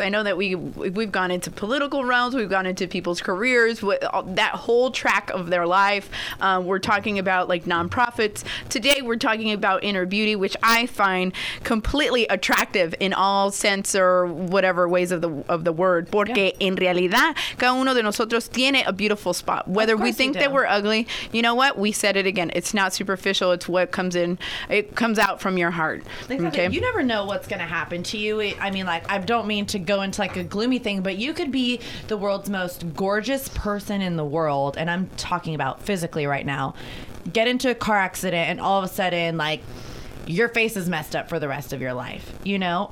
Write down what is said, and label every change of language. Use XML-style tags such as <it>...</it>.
<en>I know that we've gone into political realms. We've gone into people's careers, that whole track of their life. We're talking about, like, nonprofits. Today, we're talking about inner beauty, which I find completely attractive in all sense or whatever ways of the word.</en> <es>Porque en realidad, cada uno de nosotros tiene</es> <en>a beautiful spot. Whether we think that we're ugly, you know what? We said it again. It's not superficial. It's what comes out from your heart. Exactly. Okay? You never know what's going to happen to you. It, I mean, like, I don't mean to go into like a gloomy thing, but you could be the world's most gorgeous person in the world, and I'm talking about physically right now, get into a car accident, and all of a sudden, like, your face is messed up for the rest of your life, you know?</en>